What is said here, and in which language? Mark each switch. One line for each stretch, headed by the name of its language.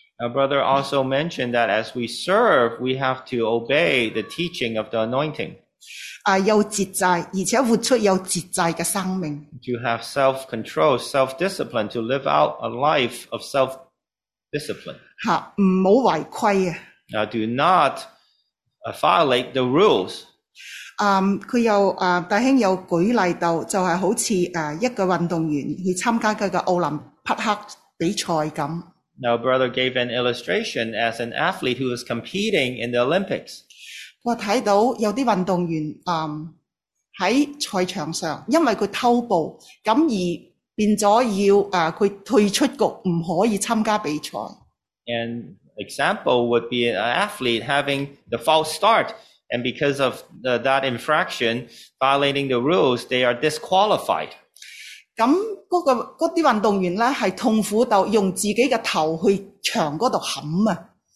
English: Our brother also mentioned that as we serve, we have to obey the teaching of the anointing.
Cantonese: 有节制，而且活出有节制嘅生命。
English: To have self-control, self-discipline, to live out a life of self-discipline.
Cantonese: 吓，唔好违规啊！
English: Do not violate the rules.
Cantonese: 佢又弟兄又举例到，就系、是、好似一个运动员去参加佢嘅奥林匹克比赛咁。
English: Now, brother gave an illustration as an athlete who is competing in the Olympics.
Cantonese: 我睇到有啲运动员喺赛场上，因为佢偷步，咁而变咗要佢退出局，唔可以参加比赛。
English: And example would be an athlete having the false start, and because of that infraction, violating the rules, they are disqualified.
Cantonese: 咁嗰啲运动员咧系痛苦到用自己嘅头去墙嗰度冚啊。